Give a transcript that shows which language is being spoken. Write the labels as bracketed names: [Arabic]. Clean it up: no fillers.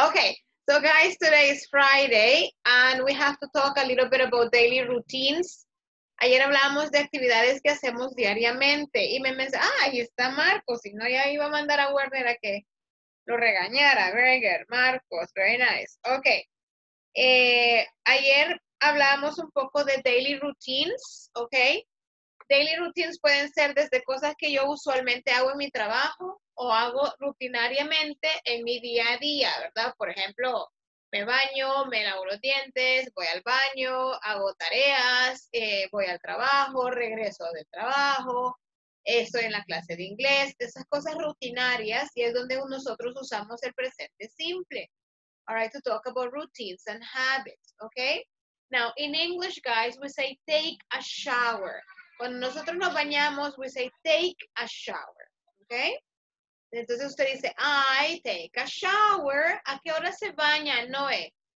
[English] Okay, so guys, today is Friday, and we have to talk a little bit about daily routines. [Spanish] Ayer hablamos de actividades que hacemos diariamente, y me mencionó, ah, ahí está Marcos, y no, ya iba a mandar a Werner a que lo regañara. [English] Very good, Marcos, very nice. Okay, [Spanish] ayer hablamos un poco de [English] daily routines, okay? Daily routines [Spanish] pueden ser desde cosas que yo usualmente hago en mi trabajo o hago rutinariamente en mi día a día, ¿verdad? Por ejemplo, me baño, me lavo los dientes, voy al baño, hago tareas, voy al trabajo, regreso del trabajo, estoy en la clase de inglés, esas cosas rutinarias, y es donde nosotros usamos el presente simple. [English] All right, to talk about routines and habits, okay? Now, in English, guys, we say take a shower. [Spanish] Cuando nosotros nos bañamos, [English] we say take a shower, okay? [Spanish] Entonces usted dice, [English] I take a shower. [Spanish] ¿A qué hora se baña, Noé?